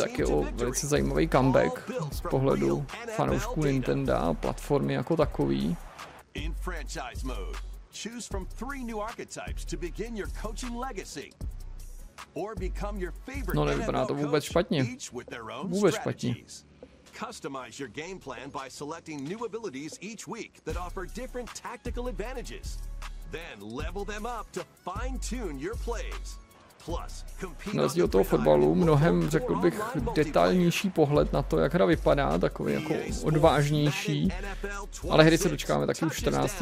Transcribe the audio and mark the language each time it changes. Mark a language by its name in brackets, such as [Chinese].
[Czech] taky o velice zajímavý comeback z pohledu fanoušků Nintendo a platformy jako takový. [English] In franchise mode. Choose from three new archetypes to begin your coaching legacy or become your favorite. [Czech] No, nevypadá to vůbec špatně. Vůbec špatně. [English] Customize your game plan by selecting new abilities each week that offer different tactical advantages. Then level them up to fine tune your plays. Plus, compete. [Czech] Na rozdíl toho fotbalu mnohem, řekl bych, detailnější pohled na to, jak hra vypadá, takový jako odvážnější. Ale hry se dočkáme taky už 14.